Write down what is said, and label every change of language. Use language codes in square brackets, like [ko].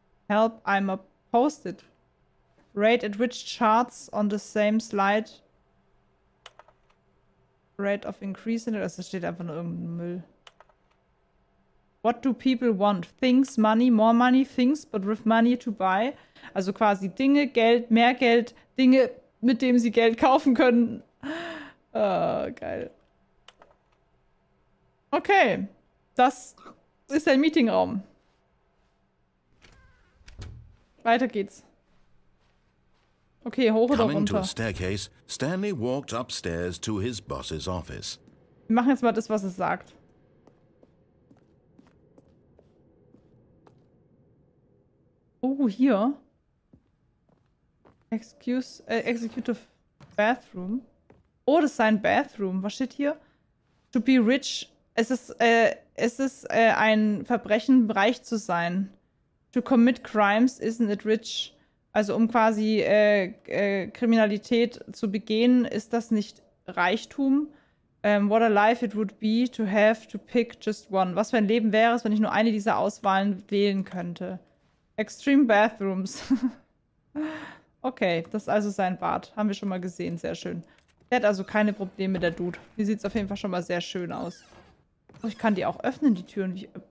[en] Help, I'm a post-it. Rate at which charts on the same slide. Rate of increase in it. [de] Also steht einfach nur irgendein Müll. [en] What do people want? Things, money, more money, things, but with money to buy. [de] Also quasi Dinge, Geld, mehr Geld, Dinge, mit dem sie Geld kaufen können. Geil. Okay. Das ist der Meetingraum. Weiter geht's. Okay, hoch oder [en] Coming [de] runter? [en] To a staircase, Stanley walked upstairs to his boss's office. [de] Wir machen jetzt mal das, was es sagt. Oh, hier. Executive Bathroom. Oh, das ist sein Bathroom. Was steht hier? [en] To be rich. [de] Es ist ein Verbrechen, reich zu sein. [en] To commit crimes, isn't it rich? [de] Also um quasi Kriminalität zu begehen, ist das nicht Reichtum? [en] What a life it would be to have to pick just one. [de] Was für ein Leben wäre es, wenn ich nur eine dieser Auswahlen wählen könnte? [en] Extreme bathrooms. [de] Okay, das ist also sein Bad. Haben wir schon mal gesehen, sehr schön. Der hat also keine Probleme, der Dude. Hier sieht es auf jeden Fall schon mal sehr schön aus. Oh, ich kann die auch öffnen, die Türen.